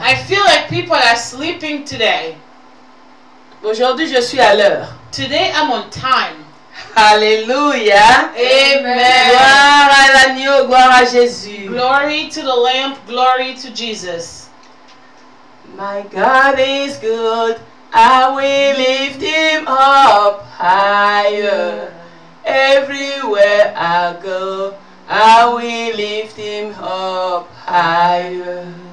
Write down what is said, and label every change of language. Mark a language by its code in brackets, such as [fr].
[en] I feel like people are sleeping today. [fr] Aujourd'hui, je suis à l'heure. [en] Today, I'm on time. [fr] Alléluia. Amen. Gloire à l'agneau, gloire à Jésus. [en] Glory to the lamb, glory to Jesus. My God is good, I will lift him up higher. Everywhere I go, I will lift him up higher.